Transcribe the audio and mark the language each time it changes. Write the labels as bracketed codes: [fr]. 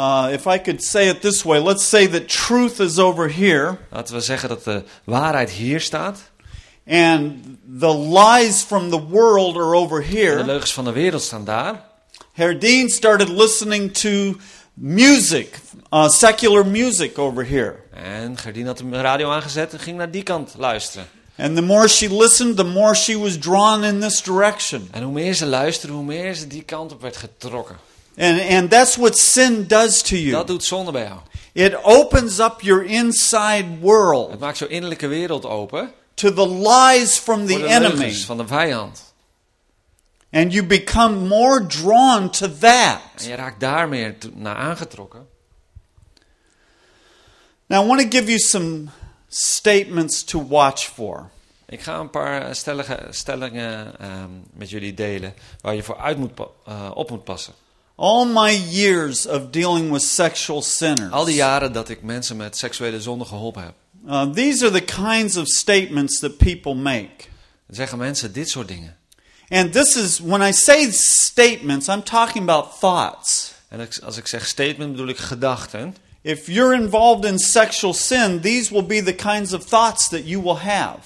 [en] If I could say it this way, let's say that truth is over here. [nl] Laten we zeggen dat de waarheid hier staat. [en] And the lies from the world are over here. [nl] En de leugens van de wereld staan daar. [en] Herr Dean started listening to music, secular music over here. [nl] En Gerdien had de radio aangezet en ging naar die kant luisteren. [en] And the more she listened, the more she was drawn in this direction. [nl] En hoe meer ze luisterde, hoe meer ze die kant op werd getrokken. [en] And that's what sin does to you. [nl] Dat doet zonde bij jou. [en] It opens up your inside world. [nl] Het maakt jouw innerlijke wereld open. [en] To the lies from the enemy. [nl] Leugens van de vijand. [en] And you become more drawn to that. [nl] En je raakt daar meer naar aangetrokken. [en] Now I want to give you some statements to watch for. [nl] Ik ga een paar stellingen met jullie delen waar je voor op moet passen. [en] All my years of dealing with sexual sinners. [nl] Al die jaren dat ik mensen met seksuele zonde geholpen heb. [en] These are the kinds of statements that people make. [nl] Zeggen mensen dit soort dingen. [en] And this is when I say statements, I'm talking about thoughts. [nl] En als ik zeg statement bedoel ik gedachten. [en] If you're involved in sexual sin, these will be the kinds of thoughts that you will have.